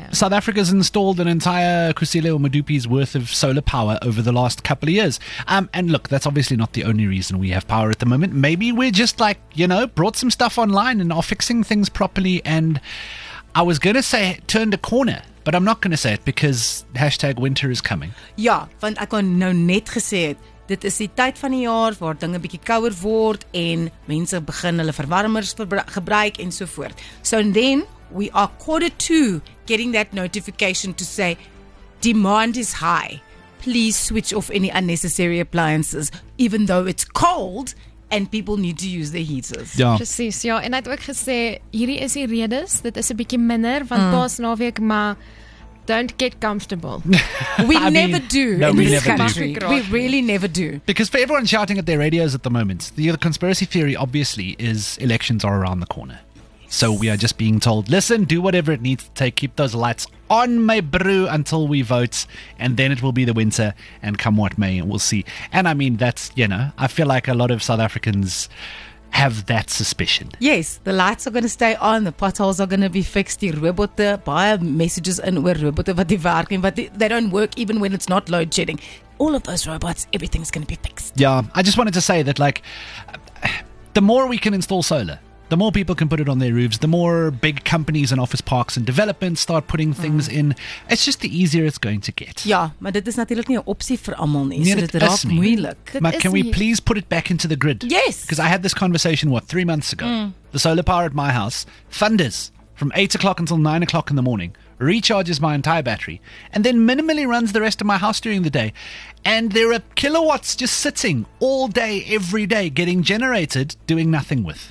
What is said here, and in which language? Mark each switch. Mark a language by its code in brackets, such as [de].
[en] No, South Africa's installed an entire Kusile or Medupi's worth of solar power over the last couple of years. And look, that's obviously not the only reason we have power at the moment. Maybe we're just like, you know, brought some stuff online and are fixing things properly. And I was going to say turned a corner. But I'm not going to say it because hashtag winter is coming. [af] Ja, want ek kon nou net gesê het, dit is die tyd van die jaar waar dinge bietjie kouer word en mense begin hulle verwarmers gebruik en so voort. [en] So and then we are quarter two getting that notification to say demand is high. Please switch off any unnecessary appliances even though it's cold and people need to use their heaters. [af] Ja. Precies, ja. En hy het ook gesê, hierdie is die redes, dit is 'n bietjie minder, want pas naweek, maar [en] don't get comfortable. We never do in this country. We really never do. Because for everyone shouting at their radios at the moment, the conspiracy theory obviously is elections are around the corner. So we are just being told, listen, do whatever it needs to take. Keep those lights on, my brew, until we vote. And then it will be the winter. And come what may, we'll see. And I mean, that's, you know, I feel like a lot of South Africans have that suspicion. Yes, the lights are going to stay on. The potholes are going to be fixed. [af] Die robotte, baie messages in oor robotte wat die werk en wat [en] they don't work even when it's not load shedding. All of those robots, everything's going to be fixed. Yeah, I just wanted to say that, like, the more we can install solar, the more people can put it on their roofs, the more big companies and office parks and developments start putting things in, it's just the easier it's going to get. [af] Ja, maar dit is natuurlijk nie 'n opsie vir almal nie. Nee, so dit raak moeilik. [en] Maar can we please put it back into the grid? Yes. Because I had this conversation, what, 3 months ago. Mm. The solar power at my house thunders from 8 o'clock until 9 o'clock in the morning, recharges my entire battery, and then minimally runs the rest of my house during the day. And there are kilowatts just sitting all day, every day, getting generated, doing nothing with.